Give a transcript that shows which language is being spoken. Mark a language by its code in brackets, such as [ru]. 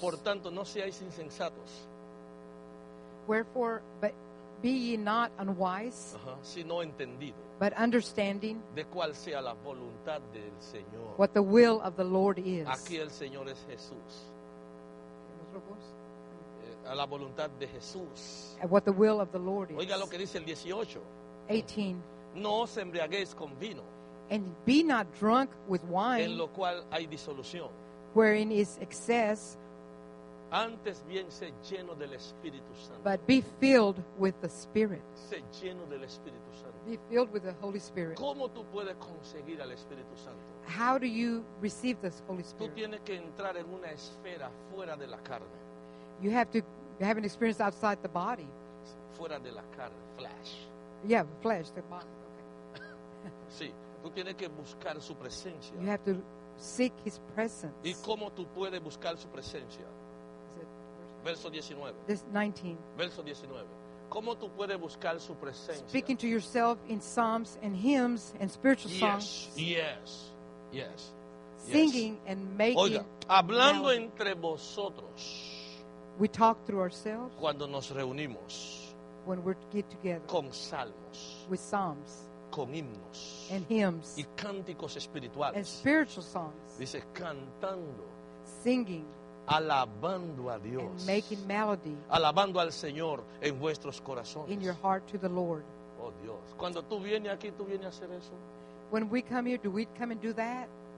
[es] Por tanto, no seáis insensatos. [en] Wherefore, but be ye not unwise. [es] Sino entendido. [en] But understanding [es] de cual sea la voluntad del Señor. [en] What the will of the Lord is. [es] Aquí el Señor es Jesús. A la voluntad de Jesús. [en] And what the will of the Lord is. [es] Oiga lo que dice el 18. [en] 18. [es] No os embriaguéis con vino. [en] And be not drunk with wine. [es] En lo cual hay disolución. [en] Wherein is excess. [es] Antes bien sé lleno del Espíritu Santo. [en] But be filled with the Spirit. [es] Sé lleno del Espíritu Santo. [en] Be filled with the Holy Spirit. [es] ¿Cómo tú puedes conseguir al Espíritu Santo? [en] How do you receive the Holy Spirit? [es] Tú tienes que entrar en una esfera fuera de la carne. [en] You have to have an experience outside the body. [es] Fuera de la carne, flesh. [en] Yeah, flesh, the body. Okay. [es] Sí, tú tienes que buscar su presencia. [en] You have to seek his presence. [es] ¿Y cómo tú puedes buscar su presencia? Verso 19. [en] This 19. [es] Verso 19. ¿Cómo tú puedes buscar su presencia? [en] Speaking to yourself in psalms and hymns and spiritual songs. Yes, yes, yes. Singing yes. and making. [es] Oiga, hablando melody. Entre vosotros. [en] We talk through ourselves. [es] Cuando nos reunimos. [en] When we get together. [es] Con salmos. [en] With psalms. [es] Con himnos. [en] And hymns. [es] Y cánticos espirituales. [en] And spiritual songs. [es] Dice cantando. [en] Singing. [es] Alabando a Dios. [en] And making melody. [es] Alabando al Señor en vuestros corazones. [en] In your heart to the Lord. [es] Oh Dios. Cuando tú vienes aquí, tú vienes a hacer eso. [en] When we come here, do we come and do that?